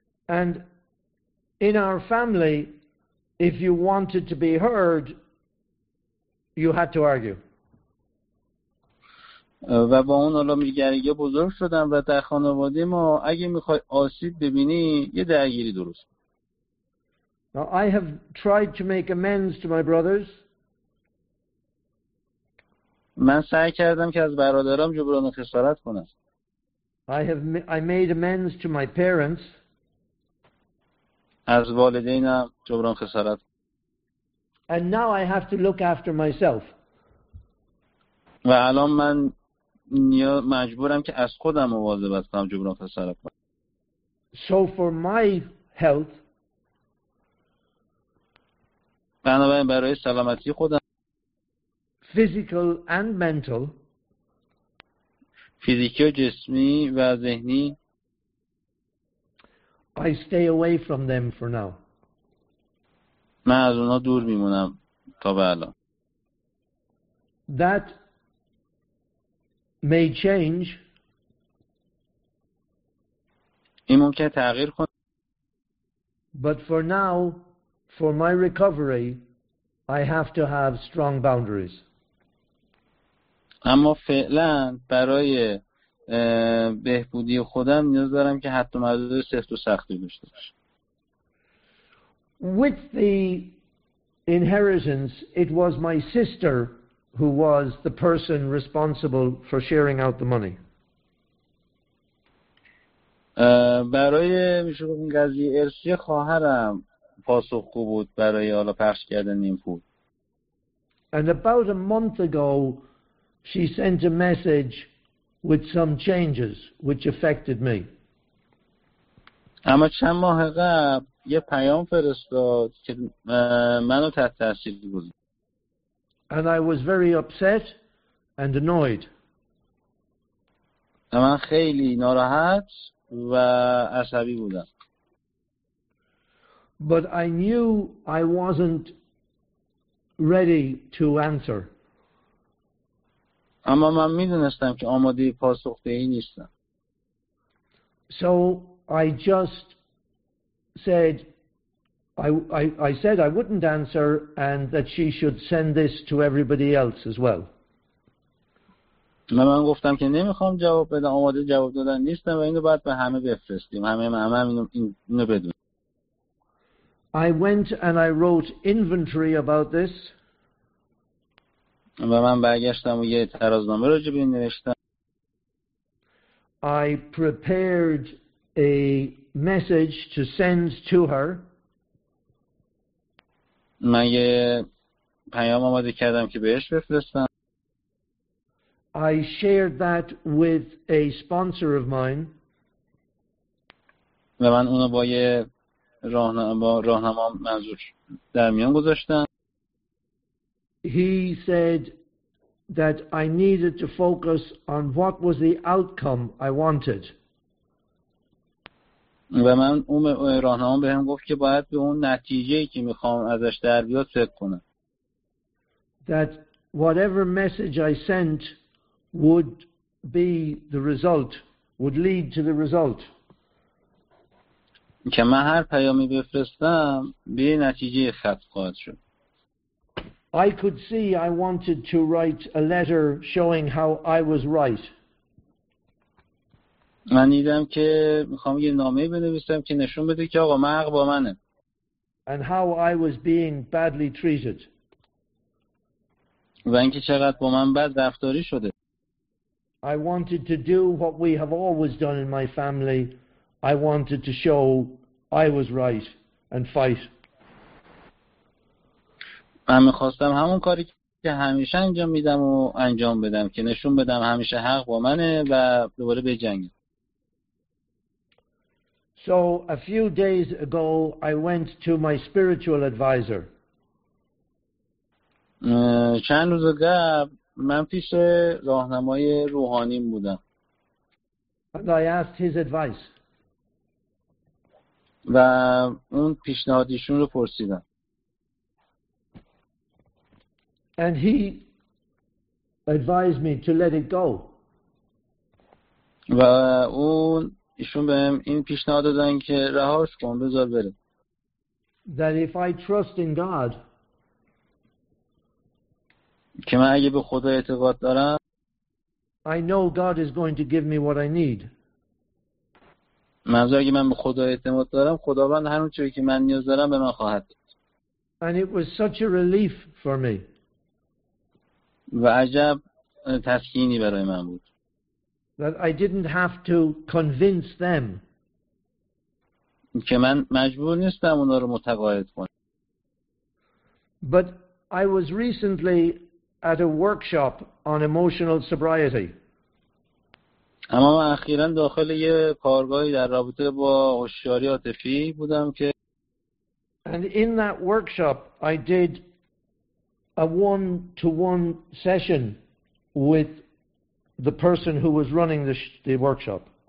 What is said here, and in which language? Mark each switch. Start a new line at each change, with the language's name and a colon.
English: And in our family, if you wanted to be heard, you had to argue.
Persian: و با اون حالا میگه بزرگ شدم و در خانواده ما اگه میخوای آسیب ببینی یه درگیری درست.
English: Now I have tried to make amends to my brothers.
Persian: من سعی کردم که از برادرام جبران و خسارت کنم.
English: I made amends to my parents.
Persian: از والدینم جبران خسارت.
English: And now I have to look after myself.
Persian: و الان من مجبورم که از خودم مواظبت کنم جبران خسارت کنم.
English: So for my health.
Persian: بنابراین برای سلامتی خودم
English: physical and mental
Persian: فیزیکی و جسمی و ذهنی
English: I stay away from them for now.
Persian: من از اونا دور میمونم تا به الان.
English: That may change.
Persian: این ممکنه تغییر کنه.
English: But for now, for my recovery, I have to have strong boundaries.
Persian: اما فعلا برای بهبودی خودم نیاز دارم که حتی مدد سخت و سختی داشته باشم.
English: With the inheritance, it was my sister who was the person responsible for sharing out the money.
Persian: برای میشه گفت این قضیه ارثی خواهرم پاسخگو بود برای حالا پخش کردن این پول.
English: And about a month ago, she sent a message with some changes which affected me.
Persian: اما چند ماه قبل یه پیام فرستاد که منو تحت تاثیر گذاشت.
English: And I was very upset and annoyed.
Persian: من خیلی ناراحت و عصبی بودم.
English: But I knew I wasn't ready to answer.
Persian: اما من میدونستم که آماده پاسخ دهی نیستم.
English: So I just said I said I wouldn't answer and that she should send this to everybody else as well.
Persian: من گفتم که نمیخوام جواب بدم، آماده جواب دادن نیستم و اینو باید به همه بفرستیم، همه اینو بدونن.
English: I went and I wrote inventory about this.
Persian: و من برگشتم و یه ترازنامه راجع به این نوشتم.
English: I prepared a message to send to her.
Persian: من یه پیام آماده کردم که بهش بفرستم.
English: I shared that with a sponsor of mine.
Persian: و من اونو با یه راهنما منظور در میان گذاشتم.
English: He said that I needed to focus on what was the outcome I wanted.
Persian: و من اون راهنما به هم گفت که باید به اون نتیجه‌ای که میخوام ازش در بیاد فکر کنم.
English: That whatever message I sent would be the result, would lead to the result.
Persian: که من هر پیامی بفرستم به نتیجه خط خواهد شد.
English: I could see I wanted to write a letter showing how I was right.
Persian: من دیدم که میخوام یه نامه بنویسم که نشون بده که آقا حق با منه.
English: And how I was being badly treated.
Persian: و اینکه چقدر با من بد رفتاری شده.
English: I wanted to do what we have always done in my family. I wanted to show I was right and fight.
Persian: من میخواستم همون کاری که همیشه انجام میدم و انجام بدم که نشون بدم همیشه حق با منه و دوباره به جنگم.
English: So a few days ago I went to my spiritual advisor.
Persian: چند روز قبل من پیش راهنمای روحانیم بودم.
English: And I asked his advice.
Persian: و اون پیشنهادیشون رو پرسیدم.
English: And he advised me to let it go.
Persian: و اون ایشون بهم این پیشنهاد دادن که رهاش کن، بذار بره.
English: That if I trust in God.
Persian: که من اگه به خدا اعتقاد دارم.
English: I know God is going to give me what I need.
Persian: منظور اگه من به خدا اعتماد دارم، خداوند هر اون چیزی که من نیاز دارم به من خواهد داد.
English: And it was such a relief for me.
Persian: و عجب تسکینی برای من بود.
English: That I didn't have to convince them.
Persian: که من مجبور نیستم اونا رو متقاعد کنم.
English: But I was recently at a workshop on emotional sobriety.
Persian: اما من اخیراً داخل یه کارگاهی در رابطه با هوشیاری عاطفی بودم که.
English: And in that workshop I did a one-to-one session with the person who was running the workshop.